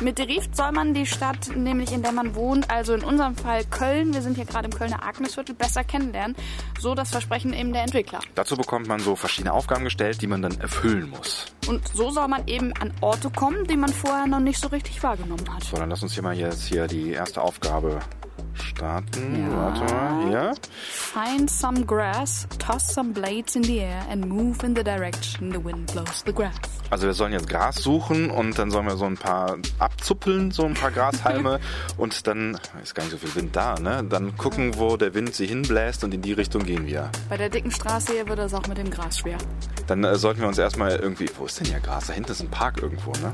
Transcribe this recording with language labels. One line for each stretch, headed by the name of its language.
German: Mit Derif soll man die Stadt, nämlich in der man wohnt, also in unserem Fall Köln, wir sind hier gerade im Kölner Agnesviertel, besser kennenlernen. So das Versprechen eben der Entwickler. Dazu bekommt man so verschiedene Aufgaben gestellt, die man dann erfüllen muss. Und so soll man eben an Orte kommen, die man vorher noch nicht so richtig wahrgenommen hat. So, dann lass uns hier mal jetzt hier die erste Aufgabe starten. Ja. Warte mal, hier.
English: Find some grass, toss some blades in the air and move in the direction the wind blows the grass.
German: Also wir sollen jetzt Gras suchen und dann sollen wir so ein paar abzuppeln, so ein paar Grashalme und dann, ist gar nicht so viel Wind da, ne? Dann gucken, wo der Wind sie hinbläst und in die Richtung gehen wir. Bei der dicken Straße hier wird das auch mit dem Gras schwer. Dann sollten wir uns erstmal irgendwie, wo ist denn hier Gras? Da hinten ist ein Park irgendwo, ne?